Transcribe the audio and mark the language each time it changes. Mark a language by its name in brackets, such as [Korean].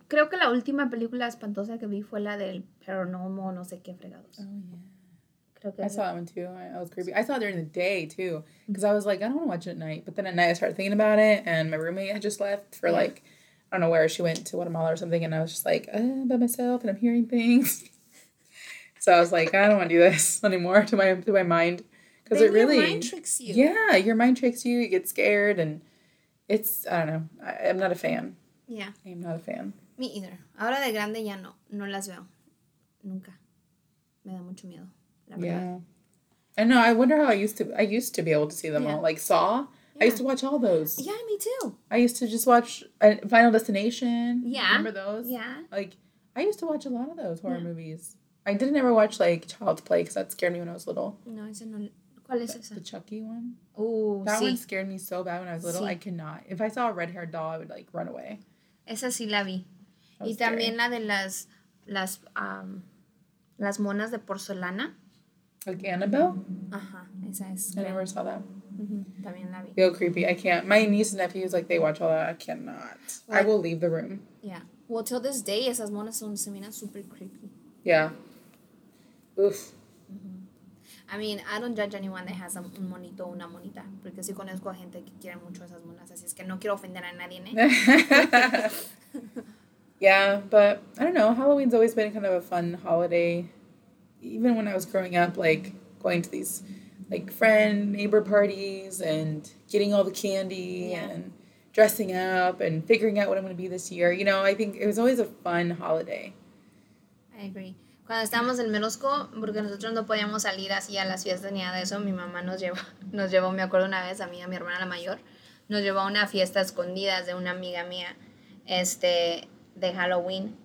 [Spanish] Creo que la última película espantosa que vi fue la del paranormal, no sé qué fregados. [English] Oh, yeah. Okay. I saw that one, too. I was creepy. I saw it during the day, too, because I was like, I don't want to watch it at night. But then at night, I started thinking about it, and my roommate had just left for, like, I don't know where. She went to Guatemala or something, and I was just like, by myself, and I'm hearing things. So I was like, I don't want to do this anymore to my mind. Because it really... Your mind tricks you. Yeah, your mind tricks you. You get scared, and it's... I don't know. I'm not a fan. Yeah. I'm not a fan. Me either. [Spanish] Ahora de grande ya no. No las veo. Nunca. Me da mucho miedo. [English] Yeah. I know. I wonder how I used to be able to see them all. Like Saw. Yeah. I used to watch all those. Yeah, me too. I used to just watch Final Destination. Yeah. Remember those? Yeah. Like, I used to watch a lot of those horror movies. I didn't ever watch, like, Child's Play because that scared me when I was little. [Spanish] No, ese no. ¿Cuál es esa? [English] The Chucky one. Oh, [Spanish] sí. [English] That one scared me so bad when I was little. Sí. I cannot. If I saw a red-haired doll, I would, like, run away. [Spanish] Esa sí la vi. Y también la de las monas de porcelana. [English] Like Annabelle? [Spanish] Uh-huh. Esa es. [English] I never saw that. [Spanish] Mm-hmm. También la vi. [English] Feel creepy. I can't. My niece and nephews, like, they watch all that. I cannot. Like, I will leave the room. Yeah. Well, till this day, [Spanish] esas monas son semina [English] super creepy. Yeah. Oof. Mm-hmm. I mean, I don't judge anyone that has a [Spanish] monito o una monita. Porque sí conozco a gente que quiere mucho esas monas. Así es que no quiero ofender a nadie, ¿eh? [English] Yeah, but I don't know. Halloween's always been kind of a fun holiday. Even when I was growing up, like, going to these, like, friend, neighbor parties and getting all the candy and dressing up and figuring out what I'm going to be this year. You know, I think it was always a fun holiday. I agree. [Spanish] Cuando estábamos en middle school, porque nosotros no podíamos salir así a las fiestas ni nada de eso, mi mamá nos llevó, me acuerdo una vez, a mí y a mi hermana la mayor, nos llevó a una fiesta escondida de una amiga mía, de Halloween.